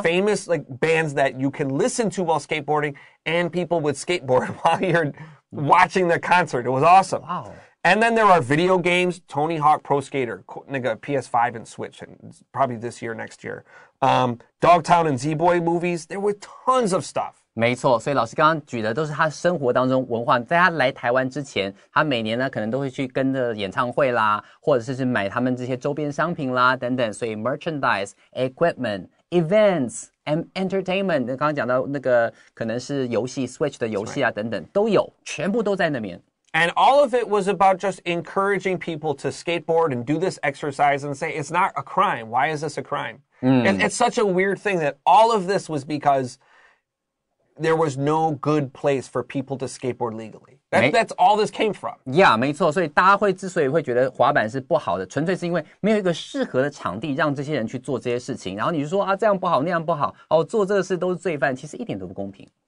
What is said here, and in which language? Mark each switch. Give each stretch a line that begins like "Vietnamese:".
English: famous like bands that you can listen to while skateboarding and people would skateboard while you're watching the concert. It was awesome. Wow. And then there are video games, Tony Hawk Pro Skater, nigga, PS5 and Switch, and probably this year, next year. Dogtown and Z-Boy movies, there were tons of stuff.
Chinese: 没错，所以老师刚刚举的都是他生活当中文化，在他来台湾之前，他每年呢可能都会去跟着演唱会啦，或者是去买他们这些周边商品啦等等。所以
English: merchandise, equipment, events, and entertainment，
Chinese: 刚刚讲到那个可能是游戏 Switch 的游戏啊等等都有，全部都在那边。
English: And all of it was about just encouraging people to skateboard and do this exercise and say it's not a crime. Why is this a crime?、It's such a weird thing that all of this was because. There was no good place for people to skateboard legally. That's all this came from. Yeah,
Chinese: 没错。所以大家会之所以会觉得滑板是不好的，纯粹是因为没有一个适合的场地让这些人去做这些事情。然后你就说啊，这样不好，那样不好，哦，做这个事都是罪犯，其实一点都不公平。